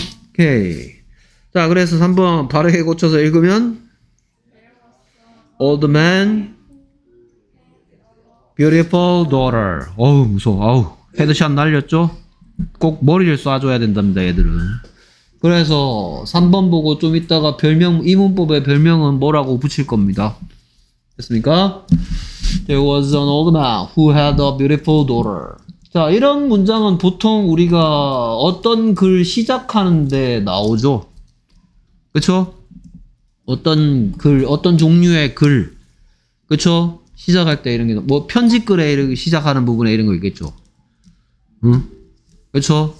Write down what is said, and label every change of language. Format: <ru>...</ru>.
<ko>오케이. 자, 그래서 3번 바르게 고쳐서 읽으면</ko> <en>Old man beautiful daughter.</en> <ko>어우 무서워. 어우. 헤드샷 날렸죠? 꼭 머리를 쏴줘야 된답니다, 얘들은. 그래서 3번 보고 좀 이따가 별명, 이 문법의 별명은 뭐라고 붙일 겁니다. 됐습니까?</ko> <en>There was an old man who had a beautiful daughter.</en> <ko>자, 이런 문장은 보통 우리가 어떤 글 시작하는데 나오죠? 그쵸? 어떤 글, 어떤 종류의 글. 그쵸? 시작할 때 이런 게, 뭐 편집글에 이렇게 시작하는 부분에 이런 거 있겠죠? 응? 그쵸?</ko>